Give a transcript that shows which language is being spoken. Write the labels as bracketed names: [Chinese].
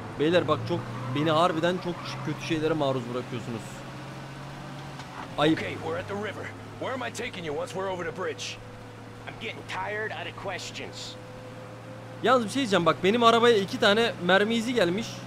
[Turkish] Beyler bak, çok beni harbiden çok kötü şeylere maruz bırakıyorsunuz. Ayıp. [English] Okay, we're at the river. Where am I taking you once we're over the bridge? I'm getting tired out of questions. [Turkish] Yalnız bir şey diyeceğim, bak benim arabaya iki tane mermi izi gelmiş.